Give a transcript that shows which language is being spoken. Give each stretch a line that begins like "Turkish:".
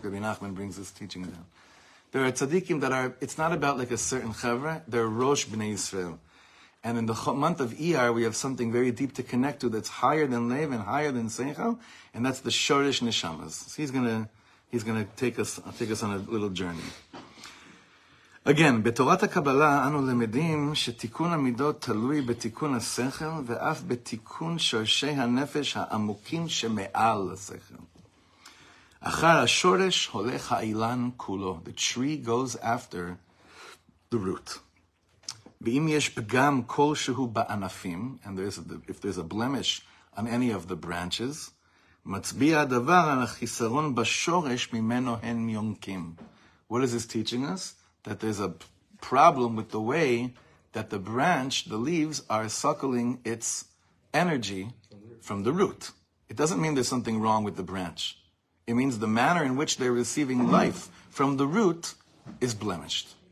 English: Rabbi Nachman brings this teaching down. There are tzaddikim that are, it's not about like a certain chevra, they're Rosh Bnei Yisrael. And in the month of Iyar, we have something very deep to connect to that's higher than Lev and higher than Seichel, and that's the Shoresh Neshamas. So he's gonna take us on a little journey.
Hebrew: Again, בתורת הקבלה אנו למדים שתיקון המידות תלוי בתיקון השכל ואף בתיקון שורשי הנפש העמוקים שמעל לשכל. אחר השורש הולך האילן כולו.
English: The tree goes after the root.
Hebrew: ואם יש פגם כלשהו בענפים,
English: and if there's a blemish on any of the branches,
Hebrew: מצביע הדבר על החיסרון בשורש ממנו הן יונקים.
English: What is this teaching us? That there's a problem with the way that the branch, the leaves, are suckling its energy from the root. It doesn't mean there's something wrong with the branch. It means the manner in which they're receiving life from the root is blemished.